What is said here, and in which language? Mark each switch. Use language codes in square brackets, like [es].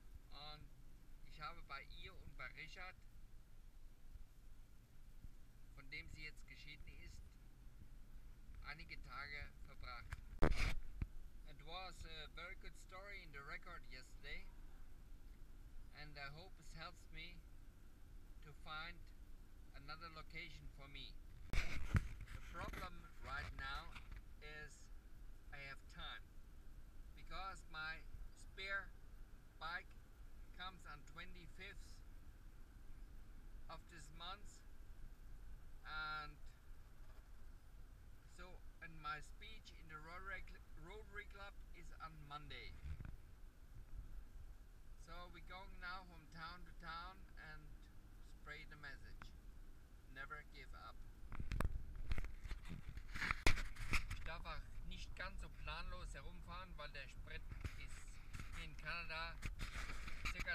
[de] Und ich habe bei ihr und bei Richard, von dem sie jetzt geschieden ist, einige Tage verbracht. [en] It was a very good story in the record yesterday. And I hope it helps me to find another location for me. The problem right now is I have time, because my spare bike comes on 25th of this month, and so, and my speech in the Rotary Club is on Monday. So we're going now from town to town and spray the message. Never give up. [de] Ich darf auch nicht ganz so planlos herumfahren, weil der Sprit ist in Kanada ca.